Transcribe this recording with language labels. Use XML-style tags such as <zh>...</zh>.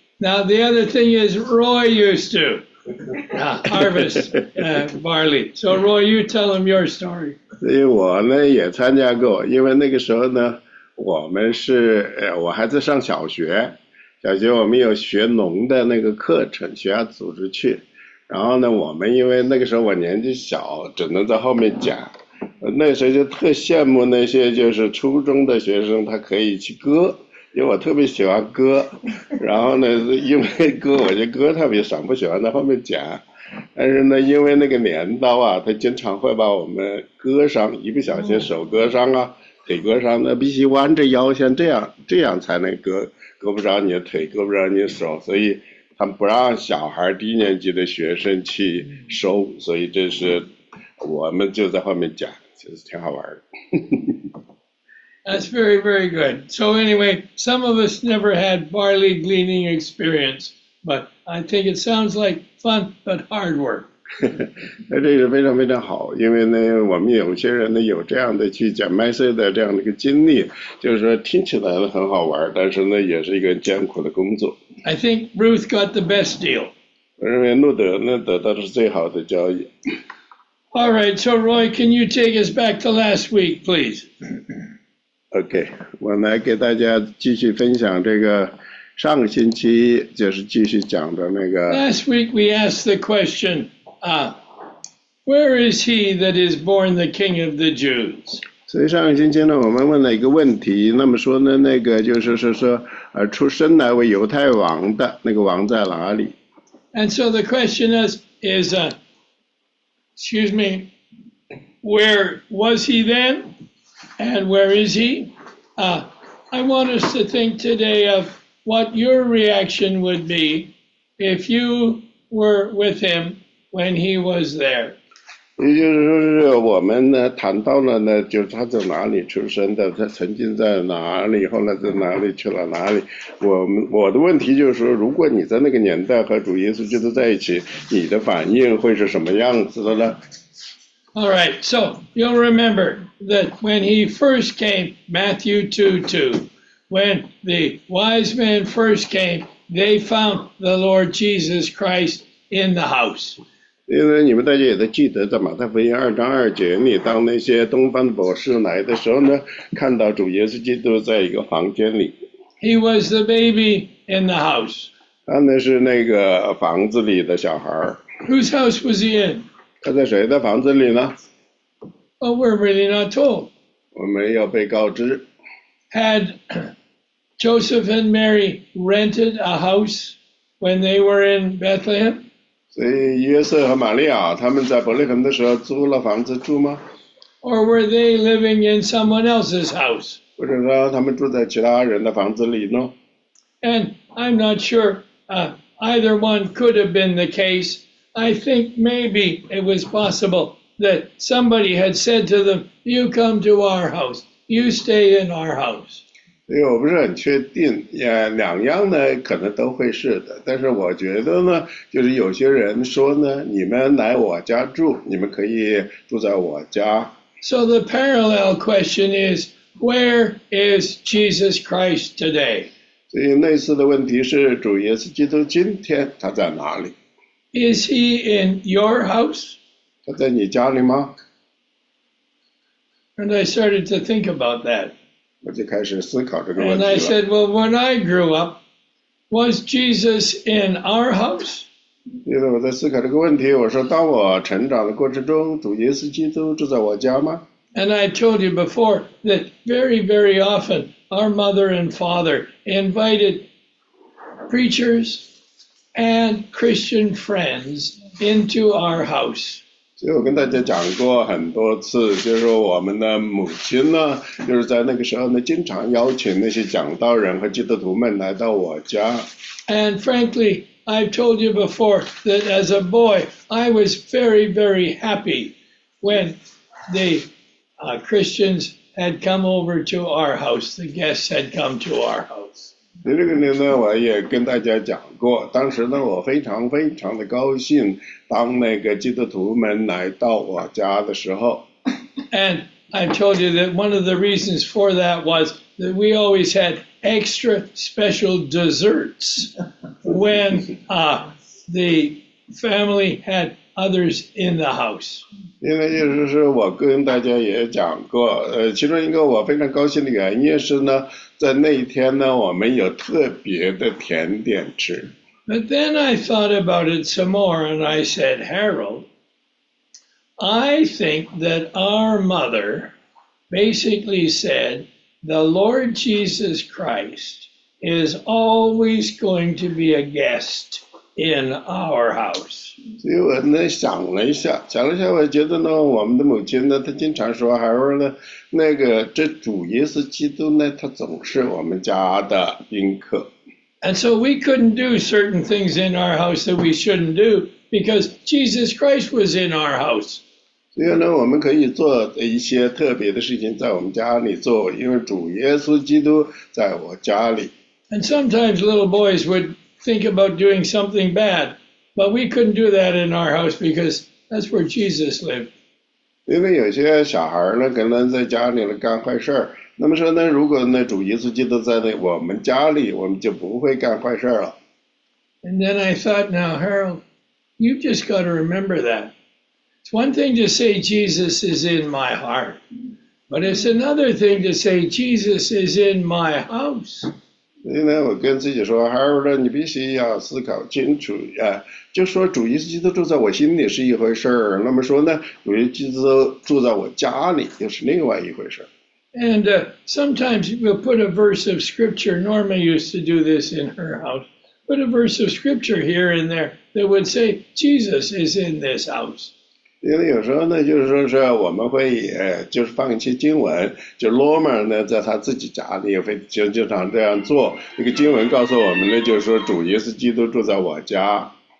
<en>Now, the other thing is Roy used to harvest barley. So, Roy, you tell him your story.</en> <zh>所以我呢也参加过，因为那个时候呢，我们是，我还在上小学，小学我们有学农的那个课程，学校组织去。然后呢，我们因为那个时候我年纪小，只能在后面讲。那时候就特羡慕那些就是初中的学生，他可以去割。因为我特别喜欢割，然后呢，因为割我就割特别爽，不喜欢在后面剪。但是呢，因为那个镰刀啊，它经常会把我们割伤，一不小心手割伤啊，腿割伤，那必须弯着腰先这样才能割，割不着你的腿，割不着你的手，所以他们不让小孩低年级的学生去收，所以这是我们就在后面剪，其实挺好玩的。</zh> <en>That's very, very good. So anyway, some of us never had barley gleaning experience, but I think it sounds like fun, but hard work.</en> <zh>这是非常非常好，因为呢，我们有些人呢有这样的去捡麦穗的这样的一个经历，就是说听起来很好玩，但是呢也是一个艰苦的工作。</zh> <en>I think Ruth got the best deal.</en> <zh>我认为路德呢得到的是最好的交易。</zh> <en>All right, so Roy, can you take us back to last week, please?</en> <zh>OK, 我来给大家继续分享这个上个星期就是继续讲的那个。</zh> <en>Last week we asked the question, where is he that is born the king of the Jews?</en> <zh>所以上个星期呢我们问了一个问题，那么说呢那个就是说出生来为犹太王的那个王在哪里。</zh> <en>And so the question is, where was he then? And where is he? I want us to think today of what your reaction would be if you were with him when he was there.</en> <zh>也就是说是我们呢谈到了呢就是他在哪里出生的，他曾经在哪里，后来在哪里去了哪里。我的问题就是说，如果你在那个年代和主耶稣基督在一起，你的反应会是什么样子的呢？</zh> <en>All right, so you'll remember that when he first came, Matthew 2:2, when the wise men first came, they found the Lord Jesus Christ in the house.</en> <zh>因为你们大家也都记得，在马太福音2:2里，当那些东方的博士来的时候呢，看到主耶稣基督在一个房间里。</zh> <en>He was the baby in the house.</en> <zh>他那是那个房子里的小孩。</zh> <en>Whose house was he in?</en> <zh>他在谁的房子里呢</zh> <en>？Oh, we're really not told.</en> <zh>我没有被告知。</zh> <en>Had Joseph and Mary rented a house when they were in Bethlehem?</en> <zh>所以约瑟和玛利亚他们在伯利恒的时候租了房子住吗</zh> <en>？Or were they living in someone else's house?</en> <zh>或者说他们住在其他人的房子里呢</zh> <en>？And I'm not sure. Either one could have been the case. I think maybe it was possible that somebody had said to them, "You come to our house. You stay in our house."</en> <zh>所以我不是很确定，两样呢可能都会是的。但是我觉得呢，就是有些人说呢，你们来我家住，你们可以住在我家。</zh> <en>So the parallel question is, where is Jesus Christ today?</en> <zh>所以类似的问题是，主耶稣基督今天他在哪里？</zh> <en>Is he in your house?</en> <zh>他在你家里吗？</zh> <en>And I started to think about that.</en> <zh>我就开始思考这个问题</zh> <en>了。And I said, well, when I grew up, was Jesus in our house?</en> <zh>因为我在思考这个问题，我说当我成长的过程中，主耶稣基督住在我家吗？</zh> <en>And I told you before that very, very often, our mother and father invited preachers and Christian friends into our house.</en> <zh>所以我跟大家讲过很多次，就是说我们的母亲呢，就是在那个时候呢，经常邀请那些讲道人和基督徒们来到我家。</zh> <en>And frankly, I've told you before that as a boy, I was very, very happy when the Christians had come over to our house, the guests had come to our house.</en> <zh>这个呢，我也跟大家讲过，当时呢，我非常非常的高兴，当那个基督徒们来到我家的时候。</zh> <en>And I told you that one of the reasons for that was that we always had extra special desserts when the family had others in the house.</en> <zh>因为就是我跟大家也讲过，其中一个我非常高兴的原因是呢。在那一天呢，我们有特别的甜点吃。</zh> <en>But then I thought about it some more, and I said, Harold, I think that our mother basically said, the Lord Jesus Christ is always going to be a guest in our house.</en> <zh>所以我呢想了一下，想了一下，我觉得呢，我们的母亲呢，她经常说 Harold 呢。那个这主耶稣基督呢，他总是我们家的宾客。</zh> <en>And so we couldn't do certain things in our house that we shouldn't do because Jesus Christ was in our house.</en> <zh>所以呢，我们可以做一些特别的事情在我们家里做，因为主耶稣基督在我家里。</zh> <en>And sometimes little boys would think about doing something bad, but we couldn't do that in our house because that's where Jesus lived.</en> <zh>因为有些小孩呢，可能在家里呢干坏事儿，那么说呢，如果呢主耶稣基督在那我们家里，我们就不会干坏事了。</zh> <en>And then I thought, now Harold, you've just got to remember that. It's one thing to say Jesus is in my heart, but it's another thing to say Jesus is in my house.</en> <zh>所以呢，我跟自己说 ，Harold， 你必须要思考清楚呀。就说主耶稣基督住在我心里是一回事儿，那么说呢，主耶稣基督住在我家里又是另外一回事儿。</zh> <en>And sometimes we'll put a verse of scripture. Norma used to do this in her house. Put a verse of scripture here and there that would say Jesus is in this house.</en> <zh>因为有时候呢，就是说是我们会就是放一些经文，就 Norma 呢在他自己家里也会经常这样做。那个经文告诉我们呢，就是说主耶稣基督住在我家。</zh>